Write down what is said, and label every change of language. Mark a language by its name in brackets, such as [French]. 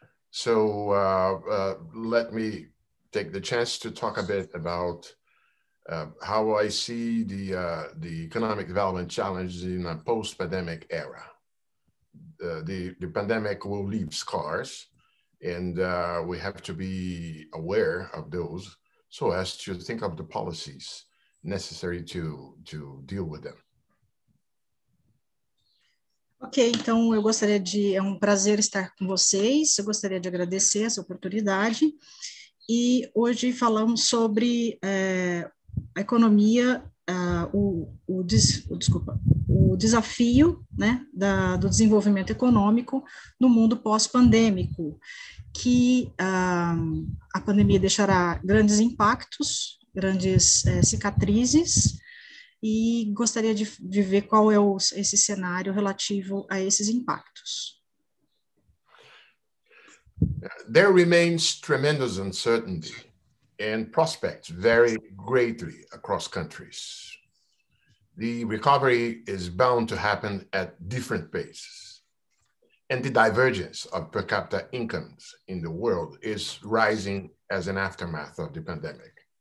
[English] So let me take the chance to talk a bit about how I see the economic development challenges in a post-pandemic era. The pandemic will leave scars, and we have to be aware of those so as to think of the policies necessary to deal with them. [Portuguese] Ok, então eu gostaria de, é um prazer estar com vocês, eu gostaria de agradecer essa oportunidade, e hoje falamos sobre a economia, o desafio, né, do desenvolvimento econômico no mundo pós-pandêmico, que a pandemia deixará grandes impactos, grandes cicatrizes, e gostaria de ver qual é esse cenário relativo a esses impactos. [English] There remains tremendous uncertainty and prospects vary greatly across countries. The recovery is bound to happen at different paces. And the divergence of per capita incomes in the world is rising as an aftermath of the pandemic.